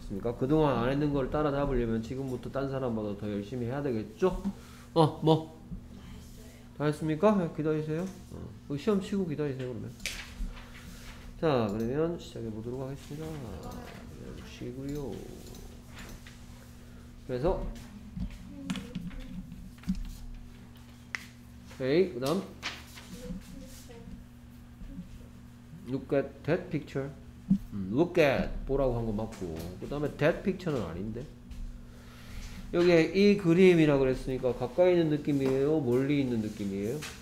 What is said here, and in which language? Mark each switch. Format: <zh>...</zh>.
<ko>그러니까 그동안 안 했는 걸 따라잡으려면 지금부터 딴 사람보다 더 열심히 해야 되겠죠? 뭐? 다 했습니까? 기다리세요. 시험 치고 기다리세요, 그러면. 자, 그러면 시작해 보도록 하겠습니다. 쉬고요. 그래서 에이, 그다음</ko> <en>Look at that picture.</en> <ko>Look at 보라고 한거 맞고 그 다음에 that picture는 아닌데 여기에 이 그림이라고 그랬으니까 가까이 있는 느낌이에요? 멀리 있는 느낌이에요?</ko>